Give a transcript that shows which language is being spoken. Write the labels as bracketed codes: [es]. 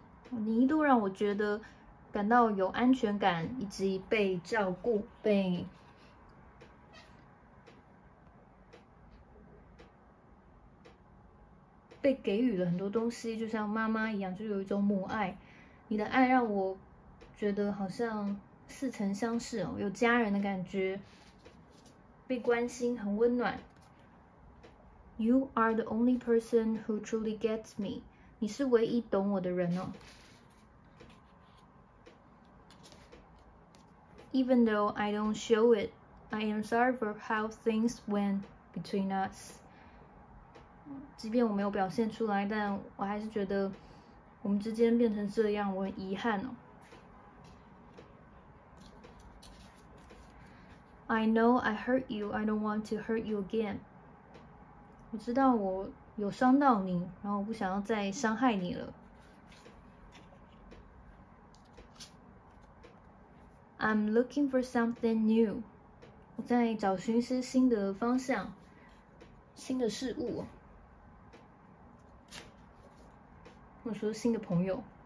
[zh] 你一度让我觉得感到有安全感，以及被照顾，被给予了很多东西，就像妈妈一样，就有一种母爱。你的爱让我觉得好像似曾相识哦，有家人的感觉，被关心，很温暖。 [en] You are the only person who truly gets me. [zh] 你是唯一懂我的人哦。 [en] Even though I don't show it, I am sorry for how things went between us. [zh] 即便我没有表现出来，但我还是觉得我们之间变成这样，我很遗憾哦。 [en] I know I hurt you, I don't want to hurt you again. [zh] 我知道我有伤到你，然后我不想要再伤害你了。 [en] I'm looking for something new. [zh] 我在找寻一些新的方向，新的事物，或者说新的朋友。